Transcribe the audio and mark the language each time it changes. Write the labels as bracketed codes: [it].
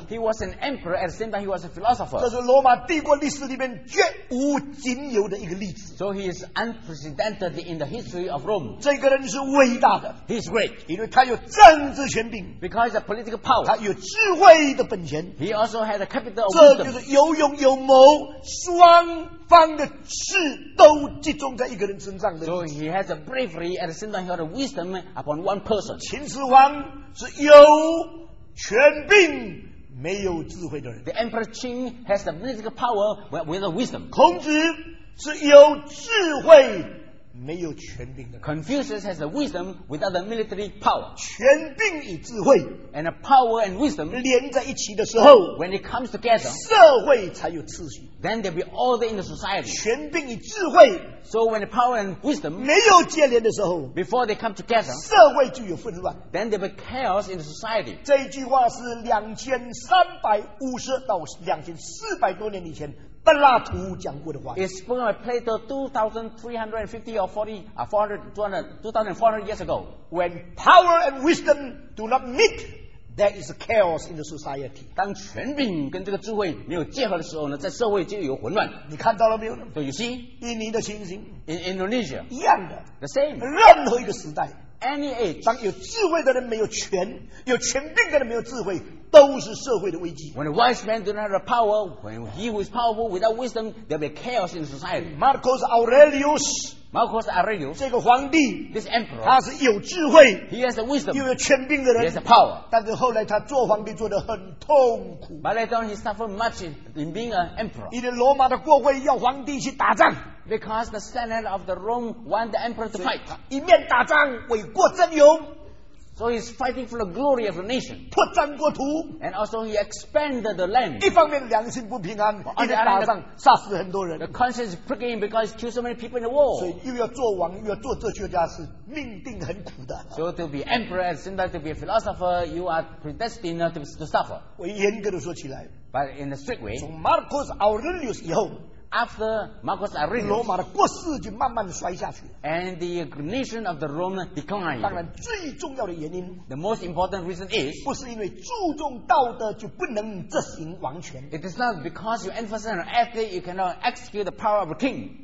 [en] He was an emperor at the same time he was a philosopher。 [zh] 这是罗马帝国历史里面绝无仅有的一个例子。 [en] So he is unprecedented in the history of Rome。 [zh] 这个人是伟大的 [en] ，He's great， [zh] 因为他有政治权柄 [en] ，Because he has political power， [zh] 他有智慧的本钱。 [en] He also had a capital of wisdom. [zh] 这就是有勇有谋，双方的智都集中在一个人身上的。 [en] So he has a bravery and the same time he had a wisdom upon one person. [zh] 秦始皇是有权柄没有智慧的人。 [en] The Emperor Qin has the political power without wisdom. [zh] 孔子是有智慧没有权柄的。 [en] Confucius has the wisdom without the military power. [zh] 权柄与智慧 [en] and a power and wisdom [zh] 连在一起的时候 [en] when it comes together [zh] 社会才有秩序 [en] then there will be order in the society. [zh] 权柄与智慧 [en] so when the power and wisdom [zh] 没有接连的时候 [en] before they come together [zh] 社会就有混乱 [en] then there will be chaos in the society. [zh] 这句话是2350到2400多年以前柏拉图讲过的话 [en] It's spoken by Plato 2400 years ago. When power and wisdom do not meet, there is a chaos in the society. [zh] 当权柄跟这个智慧没有结合的时候呢，在社会就有混乱。你看到了没有 [en] ？So you see, [zh] 印尼的情形 [en] ，in Indonesia [zh] 一样的 [en] ，the same， [zh] 任何一个时代。 [en] Any age, [zh] 当有智慧的人没有权，有权柄的人没有智慧，都是社会的危机。 [en] When a wise man do not have power, when he who is powerful without wisdom, there will be chaos in society. Marcus Aurelius, Marcus Aurelius, [zh] 这个皇帝 [en] ，this emperor, [zh] 他是有智慧 [en] ，he has the wisdom, [zh] 又有权柄的人 [en] ，he has the power. [zh] 但是后来他做皇帝做得很痛苦。 [en] But later on, he suffered much in being an emperor. [zh] 因为罗马的国会要皇帝去打仗。 [en] Because the Senate of the Rome wanted the emperor to fight. [zh] 一面打仗为国争勇 [en] So he's fighting for the glory of the nation. [zh] 破占国土, [en] and also he expanded the land. [zh] 一方面良心不平安, [en] the conscience is pricking because he killed so many people in the war. [zh] 所以又要做王, 又要做哲学家是命定很苦的, [en] so to be emperor and sometimes to be a philosopher, you are predestined to suffer. [zh] 我严格地说起来, [en] but in a strict way, [zh] 从 Marcus Aurelius 以后, [en] after Marcus Aurelius, [zh] 罗马的国势就慢慢地衰下去, [en] and the nation of the Roman declined. [zh] 当然最重要的原因, [en] the most important reason is, [zh] 不是因为注重道德就不能执行王权, [en] it is not because you emphasize on ethics, you cannot execute the power of a king.